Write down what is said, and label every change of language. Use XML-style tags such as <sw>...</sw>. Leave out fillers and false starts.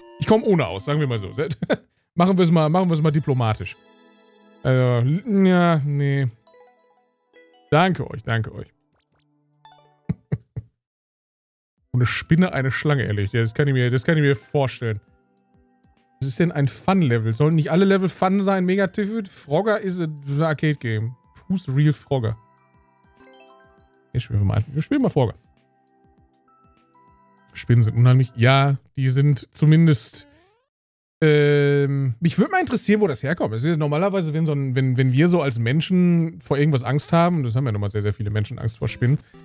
<de>Ich komme ohne aus, sagen wir mal so. machen wir es mal diplomatisch. Also, ja, nee. Danke euch. Eine Spinne, eine Schlange, ehrlich. Das kann ich mir vorstellen. Was ist denn ein Fun-Level? Sollen nicht alle Level Fun sein? Megatifid?</de> <en>Frogger is a Arcade Game. Who's real Frogger?</en> <de>Wir spielen mal Frogger. Spinnen sind unheimlich. Ja, die sind zumindest. Mich würde mal interessieren, wo das herkommt. Also normalerweise, wenn wir so als Menschen vor irgendwas Angst haben, das haben ja nochmal sehr, sehr viele Menschen Angst vor Spinnen.</de>